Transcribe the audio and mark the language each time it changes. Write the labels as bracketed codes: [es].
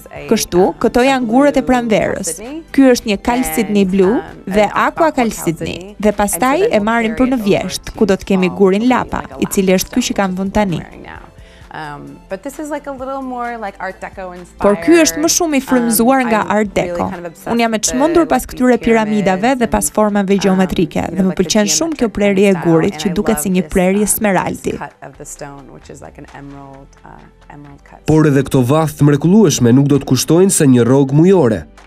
[sq] Kështu, këto janë gurët e pranverës. Ky është një Cal Sydney Blue dhe Aqua Cal Sydney. Dhe pastaj e marrim për në vjesht, ku do të kemi gurin Lapa, i cili është ky që kam vënë tani. [en] But this is like a little more like art deco inspired. [sq] Por ky është më shumë i frymëzuar nga art deco. Un jam e çmendur pas këtyre piramidave dhe pas formave gjeometrike dhe më pëlqen shumë kjo prerje e gurit që duket si një prerje smeraldi. Por edhe këto vathë mrekullueshme nuk do të kushtojnë se një rrog mujore.